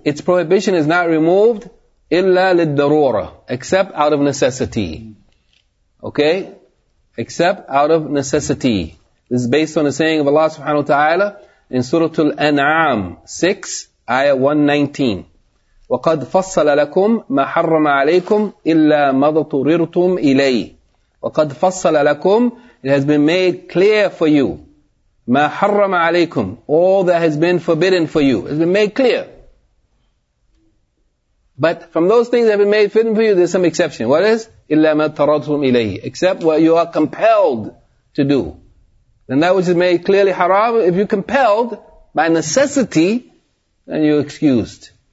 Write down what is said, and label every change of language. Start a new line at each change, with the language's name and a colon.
English: Its prohibition is not removed illa lid-darura, except out of necessity. Okay? Except out of necessity. This is based on the saying of Allah subhanahu wa ta'ala in Surah Al-An'am 6, ayah 119.
Arabic: وَقَدْ فَصَّلَ لَكُمْ مَا حَرَّمَ عَلَيْكُمْ إِلَّا مَضَطُرِرْتُمْ إِلَيْهِ وَقَدْ فَصَّلَ لَكُمْ
English: It has been made clear for you.
Arabic: مَا حَرَّمَ عَلَيْكُمْ
English: All that has been forbidden for you. It has been made clear. But from those things that have been made forbidden for you, there's some exception. What is?
Arabic: إِلَّا مَضَطُرِرْتُمْ إِلَيْهِ
English: Except what you are compelled to do. Then that which is made clearly haram, if you're compelled by necessity, then you're excused.